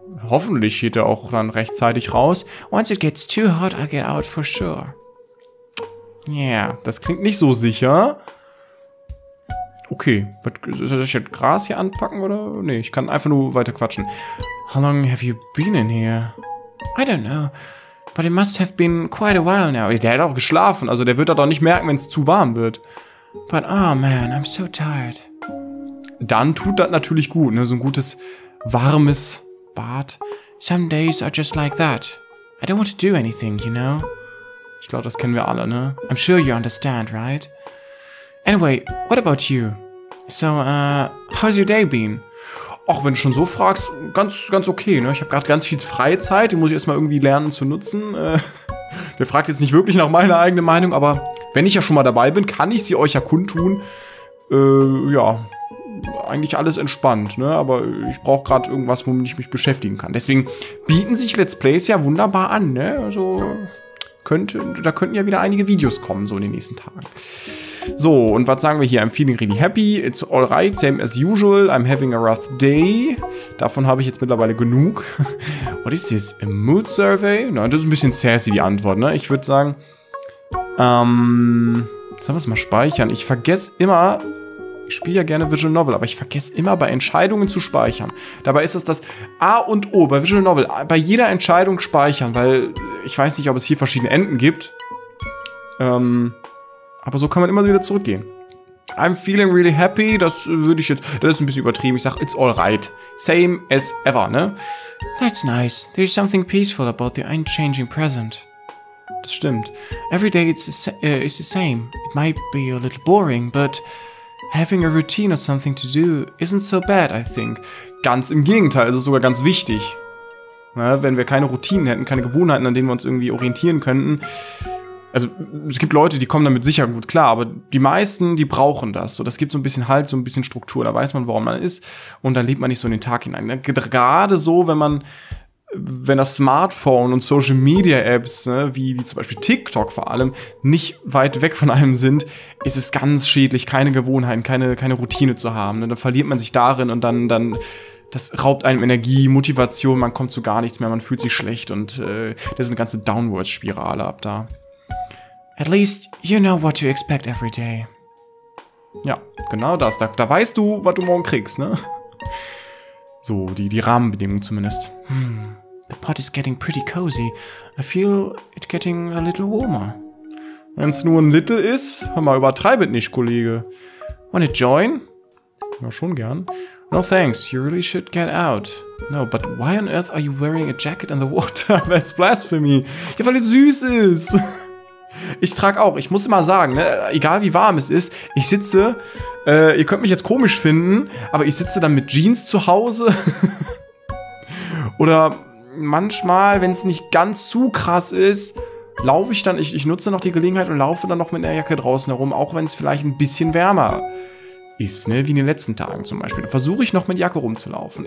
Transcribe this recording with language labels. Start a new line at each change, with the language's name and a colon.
German: Hoffentlich geht er auch dann rechtzeitig raus.
English: Once it gets too hot, I'll get out for sure.
German: Yeah, das klingt nicht so sicher. Okay, soll ich jetzt Gras hier anpacken oder? Nee, ich kann einfach nur weiter quatschen.
English: How long have you been in here? I don't know, but it must have been quite a while now.
German: Der hat auch geschlafen, also der wird das auch nicht merken, wenn es zu warm wird.
English: But oh man, I'm so tired.
German: Dann tut das natürlich gut, ne? So ein gutes, warmes Bad.
English: Some days are just like that. I don't want to do anything, you know?
German: Ich glaube, das kennen wir alle, ne?
English: I'm sure you understand, right? Anyway, what about you? So, how's your day been?
German: Ach, wenn du schon so fragst, ganz okay, ne? Ich habe gerade ganz viel Freizeit, die muss ich erstmal irgendwie lernen zu nutzen. Der fragt jetzt nicht wirklich nach meiner eigenen Meinung, aber wenn ich ja schon mal dabei bin, kann ich sie euch ja kundtun. Ja. Eigentlich alles entspannt, ne? Aber ich brauche gerade irgendwas, womit ich mich beschäftigen kann. Deswegen bieten sich Let's Plays ja wunderbar an, ne? Also da könnten ja wieder einige Videos kommen, so in den nächsten Tagen. So, und was sagen wir hier?
English: I'm feeling really happy. It's all right, same as usual. I'm having a rough day.
German: Davon habe ich jetzt mittlerweile genug.
English: What is this? A mood survey?
German: Na, das ist ein bisschen sassy, die Antwort, ne? Ich würde sagen, sollen wir es mal speichern? Ich vergesse immer, ich spiele ja gerne Visual Novel, aber ich vergesse immer, bei Entscheidungen zu speichern. Dabei ist es das A und O bei Visual Novel, bei jeder Entscheidung speichern, weil ich weiß nicht, ob es hier verschiedene Enden gibt. Aber so kann man immer wieder zurückgehen.
English: I'm feeling really happy,
German: das würde ich jetzt, das ist ein bisschen übertrieben, ich sag,
English: it's alright. Same as ever, ne? That's nice, there's something peaceful about the unchanging present.
German: Das stimmt.
English: Every day it's the same, it might be a little boring, but having a routine or something to do isn't so bad, I think.
German: Ganz im Gegenteil, es ist sogar ganz wichtig. Na, wenn wir keine Routinen hätten, keine Gewohnheiten, an denen wir uns irgendwie orientieren könnten. Also, es gibt Leute, die kommen damit sicher gut klar, aber die meisten, die brauchen das. So, das gibt so ein bisschen Halt, so ein bisschen Struktur. Da weiß man, warum man ist und dann lebt man nicht so in den Tag hinein. Gerade so, wenn das Smartphone und Social Media Apps, ne, wie zum Beispiel TikTok vor allem, nicht weit weg von einem sind, ist es ganz schädlich, keine Gewohnheiten, keine Routine zu haben. Ne? Dann verliert man sich darin und dann das raubt einem Energie, Motivation, man kommt zu gar nichts mehr, man fühlt sich schlecht und das ist eine ganze Downwards-Spirale ab da.
English: At least you know what to expect every day.
German: Ja, genau das. Da weißt du, was du morgen kriegst, ne? So, die Rahmenbedingungen zumindest.
English: The pot is getting pretty cozy. I feel it getting a little warmer.
German: Wenn's nur ein little ist, hör mal, übertreib es nicht, Kollege.
English: Wanna join?
German: Ja, schon gern.
English: No thanks, you really should get out. No, but why on earth are you wearing a jacket in the water? That's blasphemy.
German: Ja, weil es süß ist. Ich trage auch, ich muss immer sagen, ne, egal wie warm es ist, ich sitze, ihr könnt mich jetzt komisch finden, aber ich sitze dann mit Jeans zu Hause. Oder manchmal, wenn es nicht ganz zu krass ist, laufe ich dann, ich nutze noch die Gelegenheit und laufe dann noch mit einer Jacke draußen herum, auch wenn es vielleicht ein bisschen wärmer ist, ne, wie in den letzten Tagen zum Beispiel. Da versuche ich noch mit Jacke rumzulaufen.